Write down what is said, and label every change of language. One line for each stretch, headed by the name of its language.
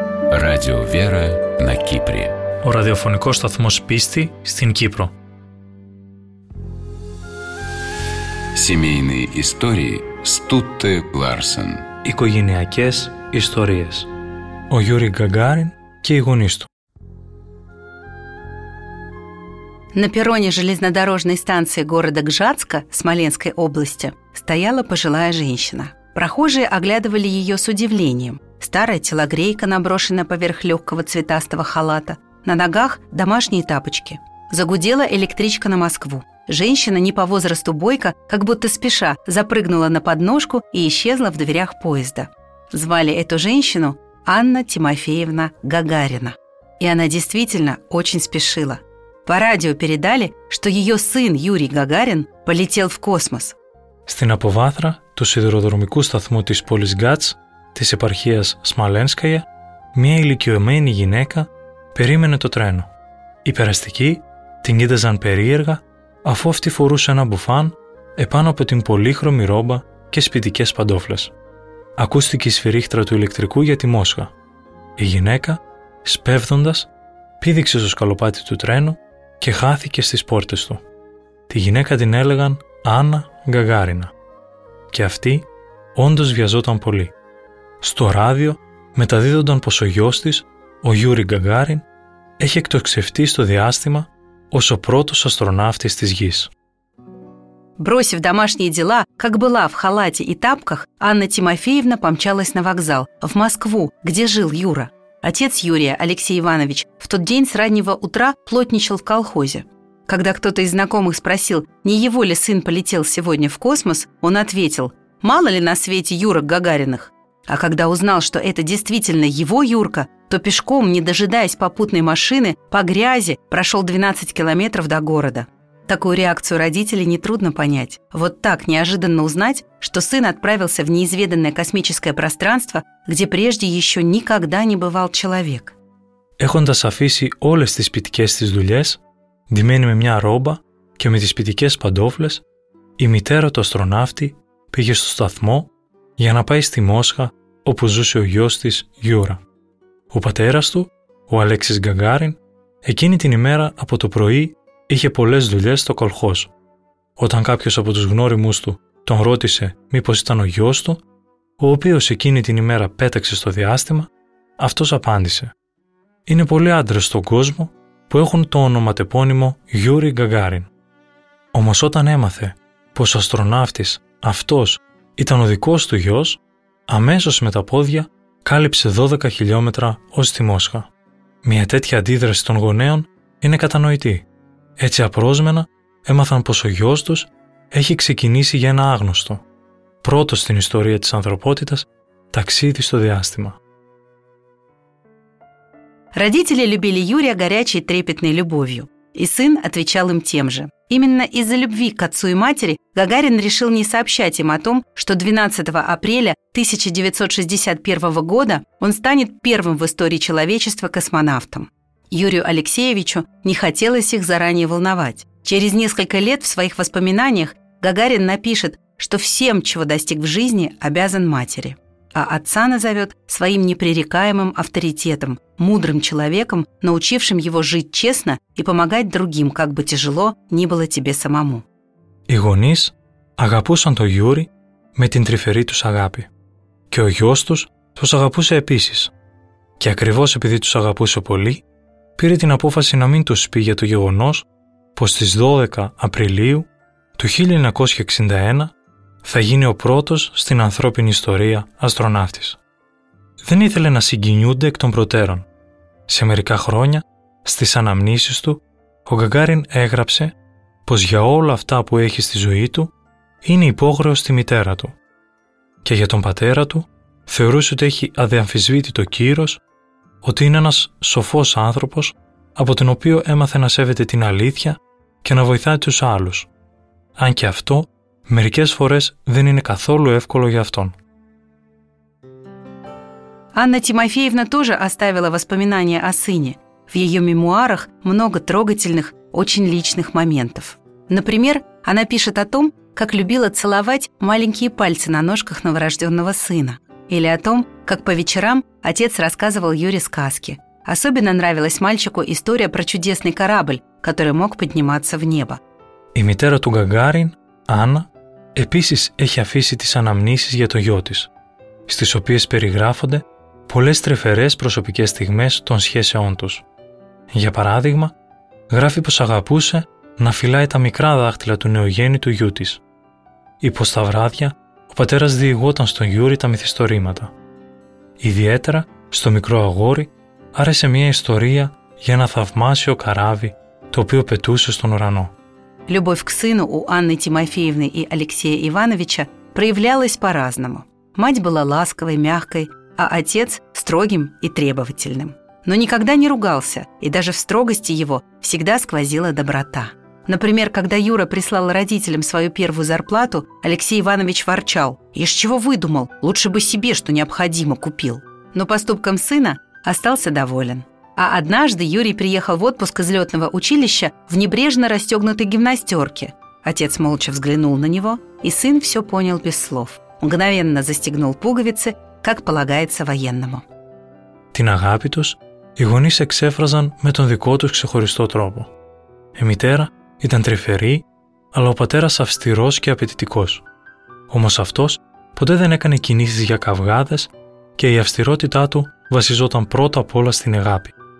Russian: Radio Vera на Кипре.
Greek: Ο ραδιοφωνικός σταθμός πίστη στην Κύπρο.
Russian: Семейные истории Стутте Ларсен.
Greek: Οικογενειακές ιστορίες. Ο Γιούρι Γκαγκάριν και οι γονείς του.
Russian: На перроне железнодорожной станции города Гжатска Смоленской области стояла пожилая женщина. Прохожие оглядывали ее с удивлением. Старая телогрейка, наброшенная поверх легкого цветастого халата. На ногах домашние тапочки. Загудела электричка на Москву. Женщина, не по возрасту бойко, как будто спеша, запрыгнула на подножку и исчезла в дверях поезда. Звали эту женщину Анна Тимофеевна Гагарина. И она действительно очень спешила. По радио передали, что ее сын Юрий Гагарин полетел в космос.
Greek: Στην Αποβάθρα του σιδηροδρομικού σταθμού της πόλης Γκάτς, της επαρχίας Σμαλένσκαια, μια ηλικιωμένη γυναίκα περίμενε το τρένο. Οι περαστικοί την κοίταζαν περίεργα, αφού αυτή φορούσε ένα μπουφάν επάνω από την πολύχρωμη ρόμπα και σπιτικές παντόφλες. Ακούστηκε η σφυρίχτρα του ηλεκτρικού για τη Μόσχα. Η γυναίκα, σπέβδοντας, πήδηξε στο σκαλοπάτι του τρένου και χάθηκε στις πόρτες του. Τη γυναίκα την έλεγαν Άννα Γκαγάρινα. Και αυτή όντως βιαζόταν πολύ. Στο ράδιο μεταδίδονταν πως ο γιος της, ο Γιούρι Γκαγάριν, έχει εκτοξευτεί στο διάστημα ως ο πρώτος αστροναύτης της Γης.
Russian: Бросив домашние дела, как была в халате и тапках, Анна Тимофеевна помчалась на вокзал, в Москву, где жил Юра. Отец Юрия, Алексей Иванович, в тот день с раннего утра плотничал в колхозе. Когда кто-то из знакомых спросил, не его ли сын полетел сегодня в космос, он ответил, мало ли на свете Юрок Гагариных. А когда узнал, что это действительно его Юрка, то пешком, не дожидаясь попутной машины, по грязи прошел 12 километров до города. Такую реакцию родителей нетрудно понять. Вот так неожиданно узнать, что сын отправился в неизведанное космическое пространство, где прежде еще никогда не бывал человек.
Greek: Έχοντας αφήσει όλες τις σπιτικές της δουλειές, ντυμένη με μια ρόμπα και με τις σπιτικές παντόφλες, η μητέρα του αστροναύτη πήγε στο σταθμό για να πάει στη Μόσχα όπου ζούσε ο γιος της Γιούρα. Ο πατέρας του, ο Αλέξης Γκαγκάριν, εκείνη την ημέρα από το πρωί είχε πολλές δουλειές στο κολχός. Όταν κάποιος από τους γνώριμούς του τον ρώτησε μήπως ήταν ο γιος του, ο οποίος εκείνη την ημέρα πέταξε στο διάστημα, αυτός απάντησε είναι πολλοί άντρες στον κόσμο που έχουν το ονοματεπώνυμο Γιούρι Γκαγκάριν. Όμως όταν έμαθε πως ο αστροναύτης αυτός ήταν ο δικός του γιος, αμέσως με τα πόδια κάλυψε 12 χιλιόμετρα ως τη Μόσχα. Μια τέτοια αντίδραση των γονέων είναι κατανοητή. Έτσι απρόσμενα έμαθαν πως ο γιος τους έχει ξεκινήσει για ένα άγνωστο, πρώτο στην ιστορία της ανθρωπότητας, ταξίδι στο διάστημα.
Russian: Родители любили Юрия горячей трепетной любовью, и сын отвечал им тем же. Именно из-за любви к отцу и матери Гагарин решил не сообщать им о том, что 12 апреля 1961 года он станет первым в истории человечества космонавтом. Юрию Алексеевичу не хотелось их заранее волновать. Через несколько лет в своих воспоминаниях Гагарин напишет, что всем, чего достиг в жизни, обязан матери. А отца назовет своим непререкаемым авторитетом, мудрым человеком, научившим его жить честно и помогать другим, как бы тяжело ни было тебе самому.
Greek: Οι γονείς αγαπούσαν τον Γιούρι με την τρυφερή τους αγάπη. Και ο γιος τους τους αγαπούσε επίσης. Και ακριβώς επειδή τους αγαπούσε πολύ, πήρε την απόφαση να μην τους πει για το γεγονός πως στις 12 Απριλίου του 1961 θα γίνει ο πρώτος στην ανθρώπινη ιστορία αστροναύτης. Δεν ήθελε να συγκινιούνται εκ των προτέρων. Σε μερικά χρόνια, στις αναμνήσεις του, ο Γκαγκάριν έγραψε πως για όλα αυτά που έχει στη ζωή του, είναι υπόγρεος στη μητέρα του. Και για τον πατέρα του, θεωρούσε ότι έχει αδιαμφισβήτητο κύρος, ότι είναι ένας σοφός άνθρωπος, από τον οποίο έμαθε να σέβεται την αλήθεια και να βοηθάει τους άλλους. Αν και αυτό, μερικές φορές δεν είναι καθόλου εύκολο για αυτόν.
Russian: Анна Тимофеевна тоже оставила воспоминания о сыне. В ее мемуарах много трогательных, очень личных моментов. Например, она пишет о том, как любила целовать маленькие пальцы на ножках новорожденного сына. Или о том, как по вечерам отец рассказывал Юре сказки. Особенно нравилась мальчику история про чудесный корабль, который мог подниматься в небо.
Greek: И матерь ту Гагарин, Анна, επίσης έχει αφήσει τις αναμνήσεις για το γιο της, στις οποίες περιγράφονται πολλές τρεφερές προσωπικές στιγμές των σχέσεών τους. Για παράδειγμα, γράφει πως αγαπούσε να φυλάει τα μικρά δάχτυλα του νεογέννητου γιού της ή πως τα βράδια ο πατέρας διηγόταν στον Γιούρι τα μυθιστορήματα. Ιδιαίτερα, στο μικρό αγόρι άρεσε μια ιστορία για ένα θαυμάσιο καράβι το οποίο πετούσε στον ουρανό.
Russian: Любовь к сыну у Анны Тимофеевны и Алексея Ивановича проявлялась по-разному. Мать была ласковой, мягкой, а отец – строгим и требовательным. Но никогда не ругался, и даже в строгости его всегда сквозила доброта. Например, когда Юра прислал родителям свою первую зарплату, Алексей Иванович ворчал: «Ишь, чего выдумал? Лучше бы себе, что необходимо, купил». Но поступком сына остался доволен. А однажды Юрий приехал в отпуск из летного училища в небрежно расстегнутой гимнастерке. Отец молча взглянул на него, и сын все понял без слов. Мгновенно застегнул пуговицы, как полагается военному.
Greek: Την αγάπη τους οι γονείς εξέφραζαν με τον δικό τους ξεχωριστό τρόπο. Η μητέρα ήταν τρυφερή, αλλά ο πατέρας αυστηρός και απαιτητικός. Όμως αυτός ποτέ δεν έκανε κινήσεις για καυγάδες και η αυστηρότητά του βασιζόταν πρώτα απ' όλα στην αγάπη.